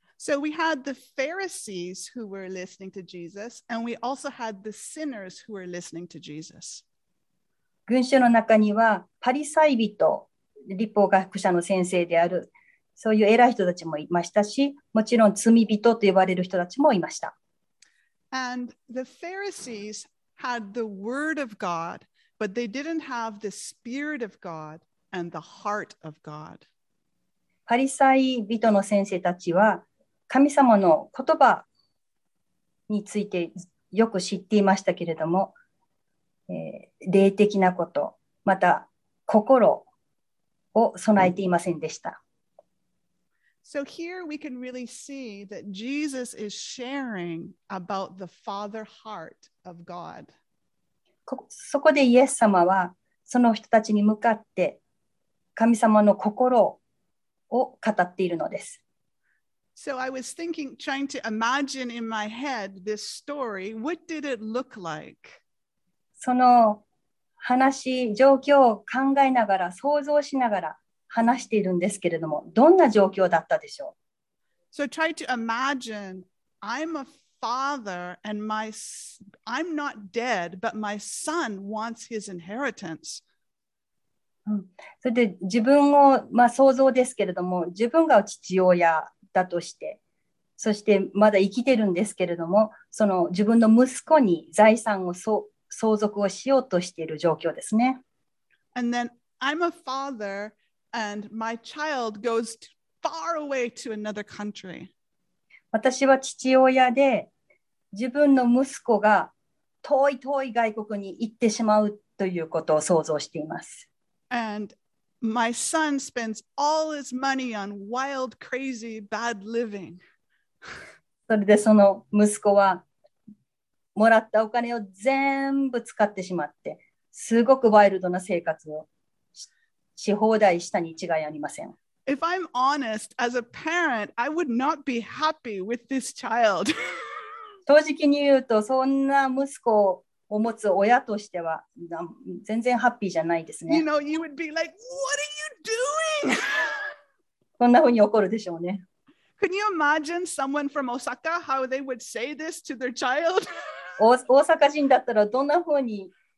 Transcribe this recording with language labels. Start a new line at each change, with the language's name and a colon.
English: So we had the Pharisees who were listening to Jesus, and we also had the sinners who were listening to Jesus.
Japanese: 群衆の中にはパリサイ人、律法学者の先生である、そういう偉い人たちもいましたし、もちろん罪人と呼ばれる人たちもいました。
English: And the Pharisees had the word of God, but they didn't have the spirit of God and the heart of God.
Japanese: パリサイ人の先生たちは、神様の言葉についてよく知っていましたけれども、霊的なこと、また心を備えていませんでした。
English: So here we can really see that Jesus is sharing about the Father heart of God.
Japanese: そこでイエス様はその人たちに向かって神様の心を語っているのです。
English: So I was thinking, trying to imagine in my head this story. What did it look like?
Japanese: その話、状況を考えながら、想像しながら話しているんですけれども、どんな状況だったでしょう?
English: So try to imagine, I'm a father and I'm not dead, but my son wants his inheritance.
Japanese: それで自分を、まあ想像ですけれども、自分が父親、だとして、そしてまだ生きてるんですけれども、その自分の息子に財産を相続をしようとしている状況ですね。
English: And then I'm a father and my child goes far away to another country.
Japanese: 私は父親で、自分の息子が遠い遠い外国に行ってしまうということを想像しています。
English: And My son spends all his money on wild, crazy, bad living.
Japanese: それでその息子はもらったお金を全部使ってしまって、すごくワイルドな生活をし放題したに違いありません。
English: If I'm honest, as a parent, I would not be happy with this child.
Japanese: 正直に言うと、そんな息子を持つ親としては全然ハッピーじゃないですね。
English: You know, you would be like, what are you doing?
Japanese: そんな風に怒るでしょうね。
English: Can you imagine someone from Osaka, how they would say this to their child?
Japanese: 大阪人だったらどんな風に